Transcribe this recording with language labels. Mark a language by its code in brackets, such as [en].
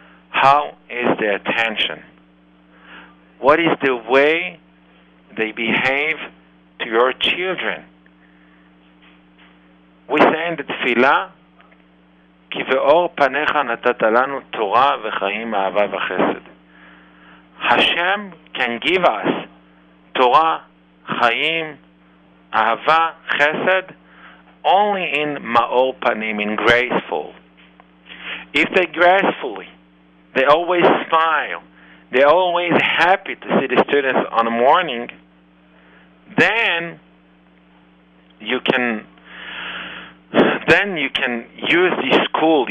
[en] How is the attention? What is the way they behave to your children? We say in the tefillah, [he] כי באור פניך נתת לנו תורה וחיים, אהבה וחסד. [en] השם can give us [he] תורה, חיים, אהבה, חסד, [en] only in [he] מאור פנים, [en] in graceful. If they gracefully, they always smile, they're always happy to see the students on the morning, then you can use this school.